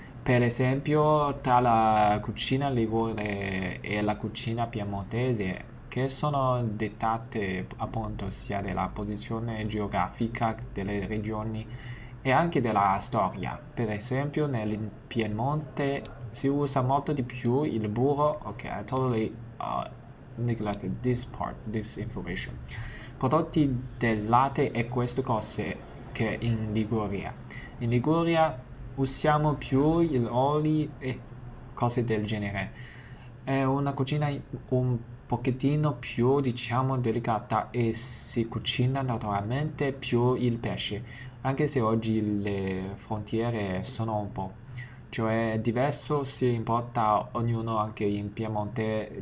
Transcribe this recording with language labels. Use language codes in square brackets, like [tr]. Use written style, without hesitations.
[it] Per esempio, tra la cucina ligure e la cucina piemontese, che sono dettate appunto sia dalla posizione geografica delle regioni e anche dalla storia. Per esempio, nel Piemonte si usa molto di più il burro. [en] Ok, I totally neglected this part, this information. [it] Prodotti del latte e queste cose che in Liguria. In Liguria usiamo più gli oli e cose del genere. È una cucina un pochettino più, diciamo, delicata e si cucina naturalmente più il pesce, anche se oggi le frontiere sono un po', cioè diverso, si importa ognuno anche in Piemonte.